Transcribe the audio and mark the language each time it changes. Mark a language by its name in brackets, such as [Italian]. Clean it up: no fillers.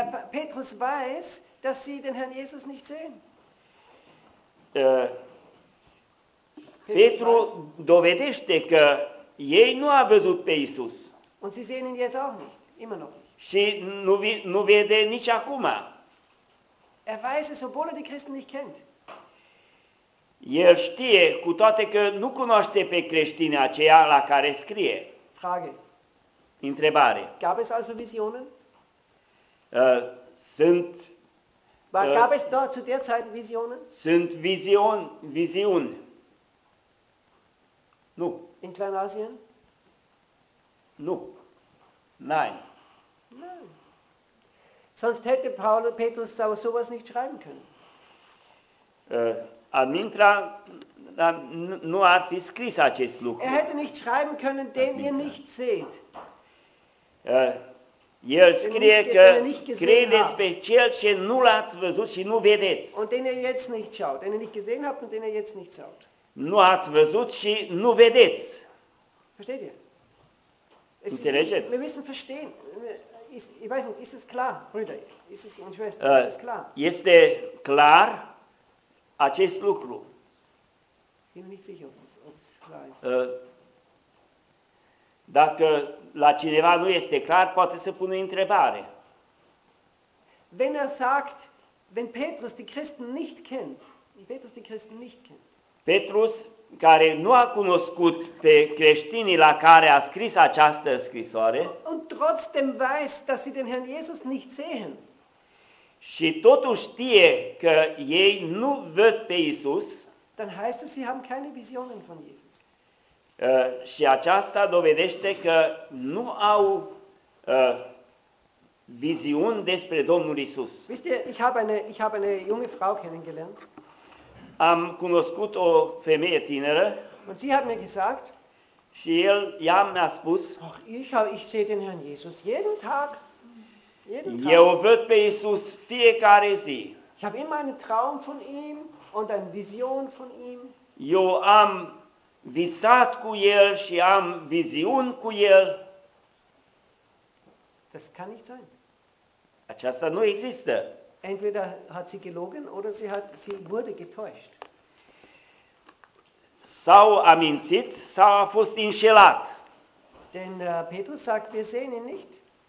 [German] Petrus weiß, dass sie den Herrn Jesus nicht sehen. [Romanian] Petru dovedește că ei nu au văzut pe Iisus. [German] Und sie sehen ihn jetzt auch nicht, immer noch nicht. [Romanian] Și nu vede nici acum. [German] Er weiß es, obwohl er die Christen nicht kennt. [Romanian] El știe, cu toate că nu cunoaște pe creștinii aceia la care scrie. [German] Frage. [Romanian] Întrebare. [German] Gab es also Visionen? [Romanian] Sunt. [German] War gab es dort zu der Zeit Visionen? [Romanian] Sunt Viziuni. Nu. [German] In Kleinasien? [Romanian] Nu. [German] Nein. Nein. Sonst hätte Paulus Petrus aber sowas nicht schreiben können. [Romanian] Amintra, nu ar fi scris acest lucru. [German] Er hätte nicht schreiben können, den ihr nicht seht. [Romanian] El scrie că credeți pe cel ce nu l-ați văzut și nu vedeți. [German] Und den ihr jetzt nicht schaut, den ihr nicht gesehen habt und den ihr jetzt nicht schaut. [Romanian] Nu ați văzut și nu vedeți. [German] Versteht ihr? [Romanian] Înțelegeți? [German] Wir müssen verstehen. Ich weiß nicht, ist es klar, Brüder? Ist es und Schwestern, ist es klar? [Romanian] Este clar acest lucru. [German] Ich bin mir nicht sicher, ob es klar ist. [Romanian] Dacă la cineva nu este clar, poate să pună întrebare. [German] Wenn er sagt, wenn Petrus die Christen nicht kennt, Petrus die Christen nicht kennt. [Romanian] Petrus, care nu a cunoscut pe creștinii la care a scris această scrisoare, [German] und trotzdem weiß, dass sie den Herrn Jesus nicht sehen. [Romanian] Și totuși știe că ei nu văd pe Isus, [German] dann heißt es, sie haben keine Visionen von Jesus. [Romanian] Și aceasta dovedește că nu au viziuni despre Domnul Isus. [German] Wisst ihr, ich habe eine junge Frau kennengelernt. [Romanian] Am cunoscut o femeie tineră. [German] Und sie hat mir gesagt, [Romanian] și el ea mi-a spus, [German] ich sehe den Herrn Jesus jeden Tag. [Romanian] Eu văd pe Isus fiecare zi. [German] Ich habe immer einen Traum von ihm und eine Vision von ihm. [Romanian] Eu am visat cu el și am viziuni cu el. [German] Das kann nicht sein. [Romanian] Aceasta nu există. [German] Entweder hat sie gelogen oder sie wurde getäuscht. [Romanian] Sau a mințit, sau a fost înșelat. [German] Denn Petrus sagt, wir sehen ihn nicht.